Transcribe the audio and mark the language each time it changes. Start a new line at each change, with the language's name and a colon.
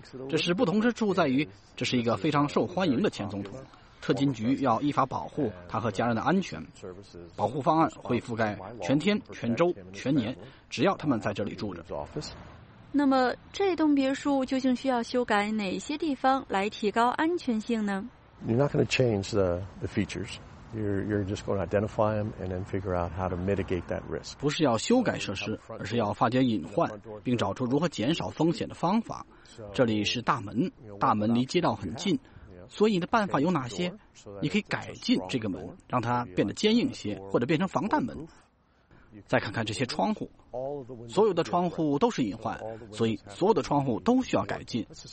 Chinese: 这是不同之处在于，这是一个非常受欢迎的前总统，特勤局要依法保护他和家人的安全，保护方案会覆盖全天、全周、全年，只要他们在这里住着。那么这栋别墅究竟需要修改哪些地方来提高安全性呢？
English: You're not going to change the features. You're just going to identify them and then figure out how to mitigate that risk.
Chinese: 不是要修改设施，而是要发掘隐患，并找出如何减少风险的方法。这里是大门，大门离街道很近，所以你的办法有哪些？你可以改进这个门，让它变得坚硬些，或者变成防弹门。再看看这些窗户，所有的窗户都是隐患，所以所有的窗户都需要改进。